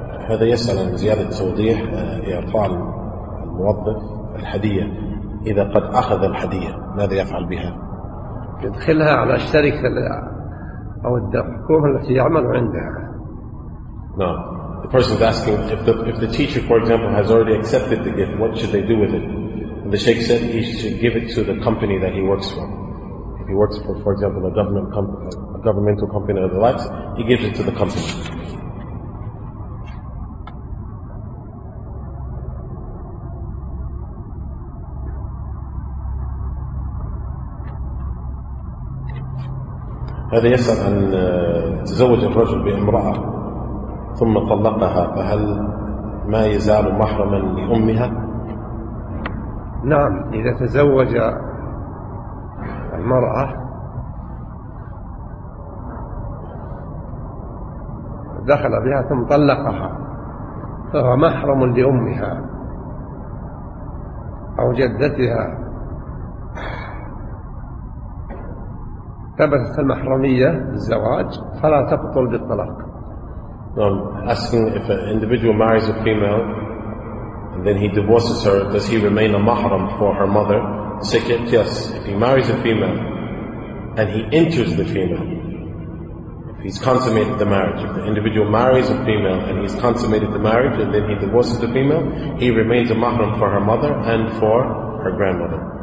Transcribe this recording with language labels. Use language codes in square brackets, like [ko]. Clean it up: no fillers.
[ar] هذا يسأل عن زيادة توضيح إعطاء الموظف الهدية. إذا قد أخذ الهدية ماذا يفعل بها؟ يدخلها على الشركة أو الحكومة التي يعمل عندها. نعم. [en] The person is asking if the teacher, for example, has already accepted the gift, what should they do with it? And the Sheikh said he should give it to the company that he works for. If he works for example, a governmental company or the likes, he gives it to the company. [ar] هذا يسأل عن تزوج الرجل بامرأة ثم طلقها، فهل ما يزال محرما لأمها؟ نعم، إذا تزوج المرأة دخل بها ثم طلقها فهو محرم لأمها أو جدتها، ثبتت المحرمية بالزواج فلا تبطل بالطلاق. [en] I'm asking if an individual marries a female and then he divorces her, does he remain a mahram for her mother? Second, yes, if he marries a female and he enters the female, if he's consummated the marriage, if the individual marries a female and he's consummated the marriage and then he divorces the female, he remains a mahram for her mother and for her grandmother.